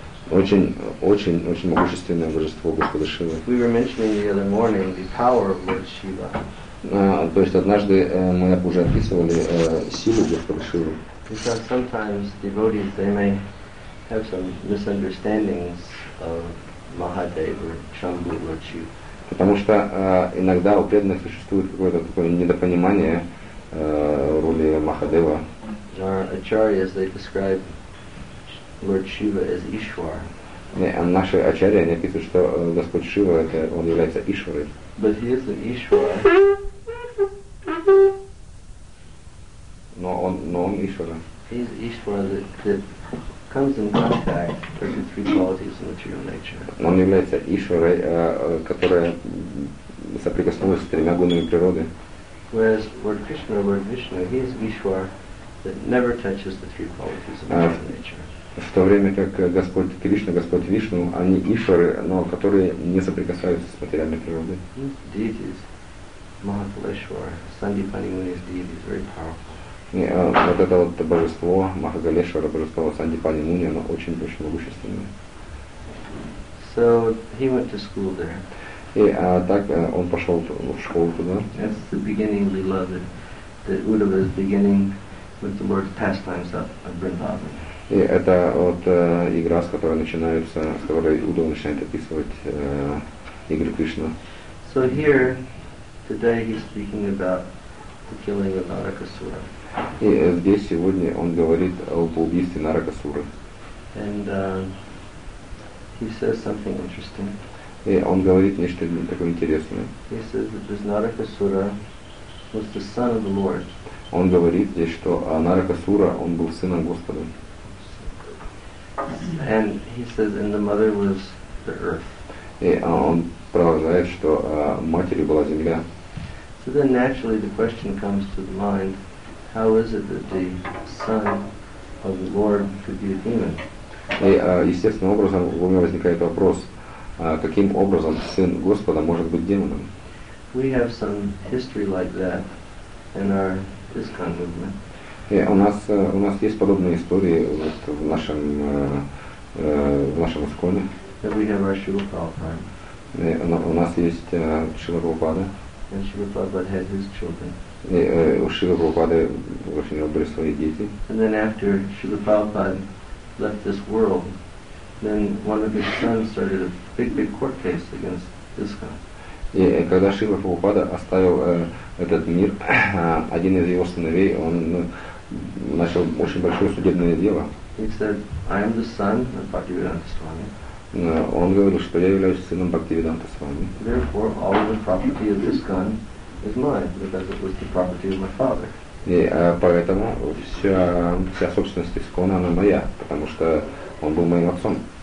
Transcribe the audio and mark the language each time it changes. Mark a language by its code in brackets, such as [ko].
[ru] Очень могущественное божество Господа Шивы. [en] We were mentioning the other morning the power of Lord Shiva. [ru] То есть однажды мы уже описывали силу Господа Шивы. [en] Because sometimes devotees they may have some misunderstandings of Mahadeva or Chambu Lord Shiva. [ru] Потому что иногда у преданных существует какое-то такое недопонимание роли Махадева. [en] Our acharyas they describe Lord Shiva is Ishwar. [ru] Наши ачарьи они описывают, что Господь Шива это он является Ишварой. [en] But he is an Ishwar. [ru] Но он Ишвара. [en] He is Ishwar that comes in contact with the three qualities of material nature. [ru] Он является Ишварой, которая соприкоснулась с тремя гунами природы. [en] Whereas Lord Krishna, Lord Vishnu, he is Ishwar that never touches the three qualities of material nature. [ru] В то время как Господь Кришна, Господь Вишну, они ишвары, но которые не соприкасаются с материальной природой. И вот это вот божество Махакалешвара, божество Сандипани Муни, оно очень могущественное. [en] So he went to school there. [ru] И так он пошел в школу туда. [en] That's the beginning, beloved, that Uddhava is beginning with the Lord's pastimes of Vrindavan. [ru] И это вот игра, с которой начинается, с которой Удва начинает описывать игры Кришны. [en] So here, today he's speaking about the killing of Narakasura. [ru] И здесь сегодня он говорит об убийстве Наракасуры. [en] And he says something interesting. [ru] И он говорит нечто такое интересное. [en] He says that this Narakasura was the son of the Lord. [ru] Он говорит здесь, что Наракасура, он был сыном Господа. [en] And he says, and the mother was the earth. [ru] И он продолжает, что матерью была земля. [en] So then naturally the question comes to the mind, how is it that the son of the Lord could be a demon? [ru] И естественным образом у меня возникает вопрос, каким образом сын Господа может быть демоном? [en] We have some history like that in our ISKCON movement. [ru] И у нас есть подобные истории вот в нашем исконе. [en] We have our Шрила Прабхупада. [ru] У нас есть Шрила Прабхупада. [en] And Шрила Прабхупада had his children. [ru] И у Шрила Прабхупады вообще у него были свои дети. [en] And then after Шрила Прабхупада left this world, then one of his sons started a big court case against ISKCON. [ru] И когда Шрила Прабхупада оставил этот мир, один из его сыновей, он начал очень большое судебное дело. [en] He said, I am the son of Bhaktivedanta Swami. [ru] Он говорил, что я являюсь сыном Бхактивиданта Свами. [en] Therefore, all the property of ISKCON is mine, because it was the property of my father. [ru] И поэтому вся собственность ISKCON, она моя, потому что он был моим отцом.